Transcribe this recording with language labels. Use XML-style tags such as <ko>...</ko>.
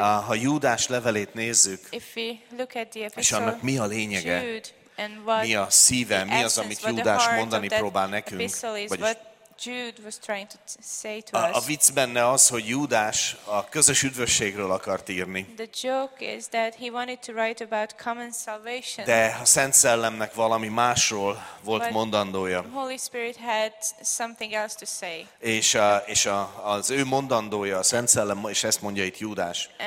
<hu>Ha Júdás levelét nézzük,</hu> <en>if we look at the epistle,</en> <hu>és annak mi a lényege,</hu> <en>Jude, and what</en> <hu>mi a szíve,</hu> <en>essence,</en> <hu>mi az, amit Júdás mondani próbál nekünk,</hu> <en>is,</en> <hu>vagyis</hu> <en>Jude was trying to say to us.</en> <hu>A vicc benne az, hogy Júdás a közös üdvösségről akart írni.</hu> <en>The joke is that he wanted to write about common salvation.</en> <hu>De a Szent Szellemnek valami másról volt</hu> <en>but</en> <hu>mondandója.</hu> <en>Holy Spirit had something else to say.</en> <hu>És az ő mondandója, a Szent Szellem, és ezt mondja itt Júdás.</hu>